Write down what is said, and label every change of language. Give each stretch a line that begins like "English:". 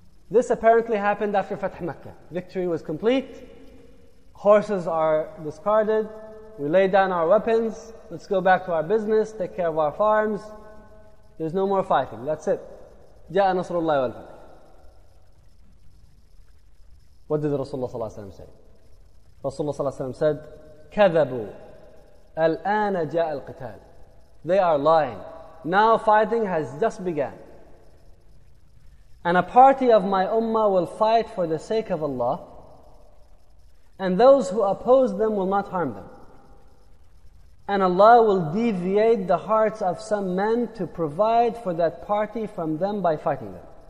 English: This apparently happened after Fath Makkah. Victory was complete. Horses are discarded. We lay down our weapons, let's go back to our business, take care of our farms. There's no more fighting, that's it.
Arabic: جَاءَ نَصْرُ اللَّهِ وَالْفَتْحِ.
English: What did Rasulullah ﷺ say? Rasulullah ﷺ said,
Arabic: كَذَبُوا الْآنَ جَاءَ الْقِتَالِ.
English: They are lying. Now fighting has just begun. And a party of my ummah will fight for the sake of Allah, and those who oppose them will not harm them. And Allah will deviate the hearts of some men to provide for that party from them by fighting them.